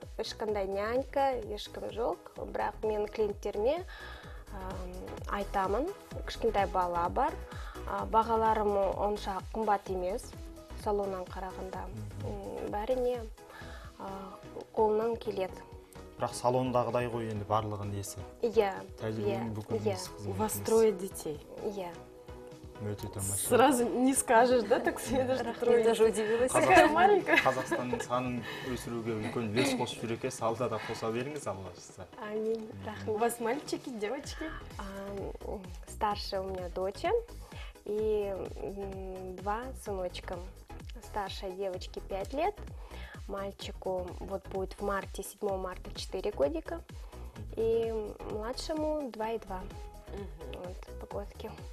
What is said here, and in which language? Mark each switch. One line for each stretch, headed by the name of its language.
Kazakh: Ешқандай нянька, ешкім жоқ, бірақ мен клиенттеріме айтамын, кішкентай бала бар, бағаларым онша қымбат емес салоннан қарағанда, бәріне қолынан келеді. Бірақ салондағыдай ғой енді барлығын несі? Иә.
Russian: Вас трое детей?
Kazakh: Иә. Өте тамаша.
Russian: Сразу не скажешь, да, так себе даже трое. Я даже удивилась. Какая маленькая.
Kazakh: Қазақстанның санын өсіруге үлкен үлес қосып жүр екен, салда да қоса беріңіз, Алла жазса. Амин. Рахмет.
Russian: У вас мальчики, девочки? Старшая у меня дочь и 2 сыночка. Старшей девочке 5 лет. Мальчику вот будет в марте, 7 марта 4 годика. И младшему 2,2. Вот погодки.